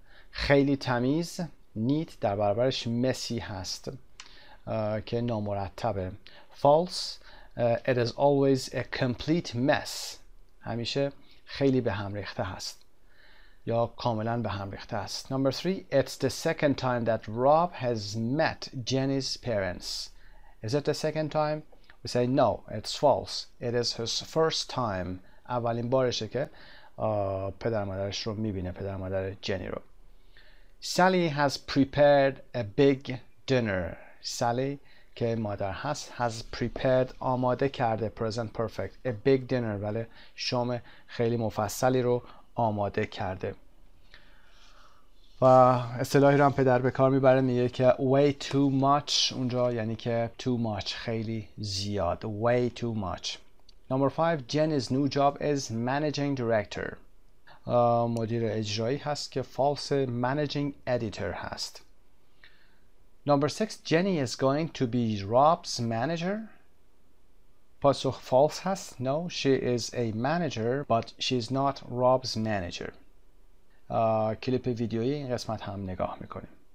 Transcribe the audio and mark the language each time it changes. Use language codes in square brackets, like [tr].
[fa] خیلی تمیز. Neat در برابرش messy هست که نامرتبه. [en] False. It is always a complete mess. [fa] همیشه خیلی به هم ریخته هست یا کاملا به هم ریخته است. [en] Number 3. It's the second time that Rob has met Jenny's parents. Is it the second time? We say no, it's false. It is his first time. [fa] اولین بارشه که پدر مادرش رو میبینه، پدر مادر جنی رو. [en] Sally has prepared a big dinner. [fa] Sally که مادر هست [en] has prepared [fa] آماده کرده، [en] present perfect، a big dinner [fa] ولی شام خیلی مفصلی رو آماده کرده. و اصطلاحی رو هم پدر به کار میبره، میگه که [en] way too much، [fa] اونجا یعنی که too much، خیلی زیاد، way too much. [en] Number 5. Jenny's new job is managing director. [fa] مدیر اجرایی هست که [en] false، managing editor هست. Number 6. Jenny is going to be Rob's manager. [fa] پاسخ false هست. [en] No, she is a manager, but she is not Rob's manager. [fa] کلیپ ویدیویی این قسمت هم نگاه میکنیم.